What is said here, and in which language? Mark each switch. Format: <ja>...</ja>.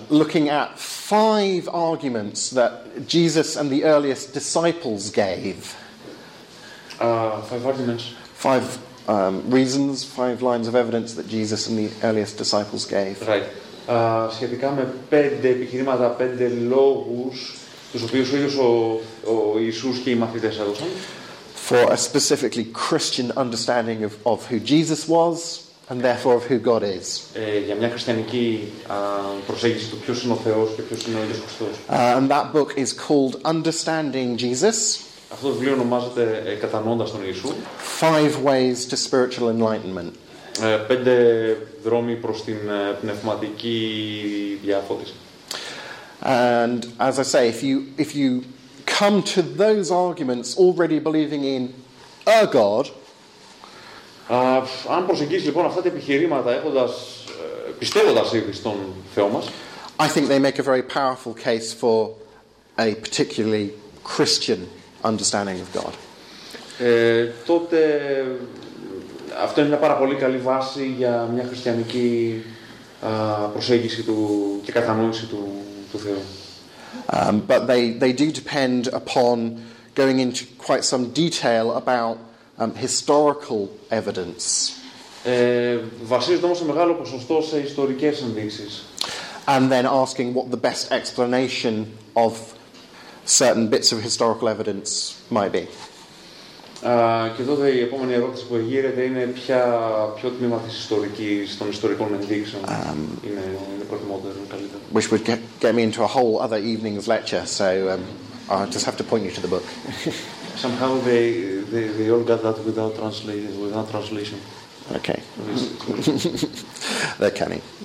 <en>Looking at five arguments that Jesus and the earliest disciples gave. Five arguments. Five reasons, five lines of evidence that Jesus and the earliest disciples gave. Right.</en> <el>Σχετικά με πέντε επιχειρήματα, πέντε λόγους, τους οποίους ο ίδιος ο Ιησούς και οι μαθητές έδωσαν.</el> <en>For a specifically Christian understanding of who Jesus was and therefore of who God is.</en> <el>Για μια χριστιανική προσέγγιση του ποιος είναι ο Θεός και ποιος είναι ο Ιησούς Χριστός.</el> <en>And that book is called Understanding Jesus.</en> <el>Αυτό το βιβλίο ονομάζεται Κατανοώντας τον Ιησού.</el> <en>Five ways to spiritual enlightenment.</en> <el>Πέντε δρόμοι προς την πνευματική διάφωτιση.</el> <en>And as I say, if you come to those arguments already believing in a God.</en> <el>Αν προσεγγίσεις λοιπόν αυτά τα επιχειρήματα έχοντας πιστεύοντας ήδη στον Θεό μας,</el> <en>I think they make a very powerful case for a particularly Christian understanding of God.</en> <el>Τότε αυτό είναι μια πάρα πολύ καλή βάση για μια χριστιανική προσέγγιση του και κατανόηση του Θεού.</el> <en>But they do depend upon going into quite some detail about historical evidence.</en> <el>Βασίζεται όμως σε μεγάλο ποσοστό σε ιστορικές ενδείξεις.</el> <en>And then asking what the best explanation of certain bits of historical evidence might be.</en> <el>Και τότε η επόμενη ερώτηση που εγείρεται είναι ποιο τμήμα της ιστορικής των ιστορικών ενδείξεων είναι προτιμότερο, καλύτερο.</el> <en>Which would get me into a whole other evening's lecture, so I just have to point you to the book. Somehow they all got that without translation. Okay. They're canny.</en>